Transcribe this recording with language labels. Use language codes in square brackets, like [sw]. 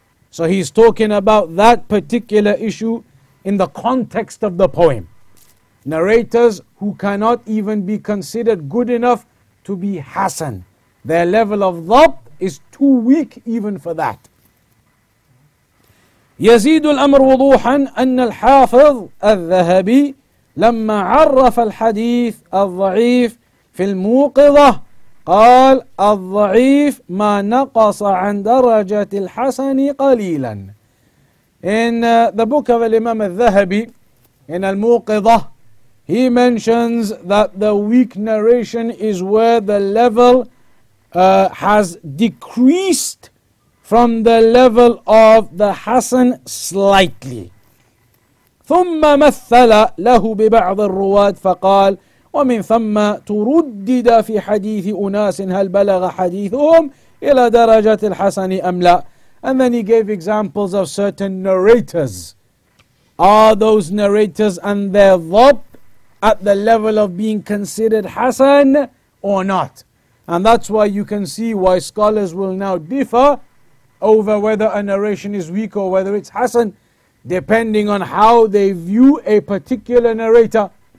[en] So he's talking about that particular issue in the context of the poem. Narrators who cannot even be considered good enough to be Hasan. Their level of dhabt is too weak even for that. [ar] يزيد الأمر وضوحا أن الحافظ الذهبي لما عرف الحديث الضعيف في الموقظة قال الضعيف ما نقص عن درجة الحسن قليلا. [en] In the book of Imam al-Dhahabi, in al-Muqidh, he mentions that the weak narration is where the level has decreased from the level of the Hasan slightly. [ar] ثم مثل له ببعض الرواة فقال ومن ثم تردد في حديث أناس هل بلغ حديثهم إلى درجة الحسن أم لا. [en] And then he gave examples of certain narrators. Are those narrators and their ضبط at the level of being considered Hasan or not? And that's why you can see why scholars will now differ over whether a narration is weak or whether it's Hasan, depending on how they view a particular narrator.